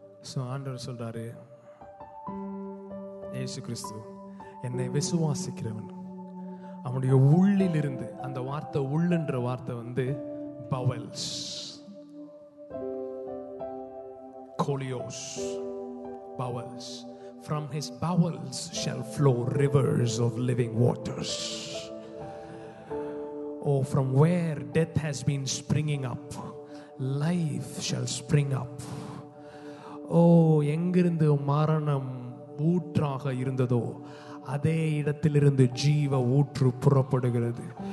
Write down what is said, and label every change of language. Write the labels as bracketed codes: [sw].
[ta] So ஆண்டவர் சொல்றாரு, இயேசு கிறிஸ்து, என்னை விசுவாசிக்கிறவன் அவனுடைய உள்ளிலிருந்து, அந்த வார்த்தை உள்ளுன்ற வார்த்தை வந்து பவல்ஸ் கோலியோஸ் bowels, from his bowels shall flow rivers of living waters. [en] Oh, from where death has been springing up, life shall spring up. [ta] Oh, எங்கிருந்து மரணம் ஊற்றாக இருந்ததோ அதே இடத்திலிருந்து ஜீவ ஊற்று புறப்படுகிறது.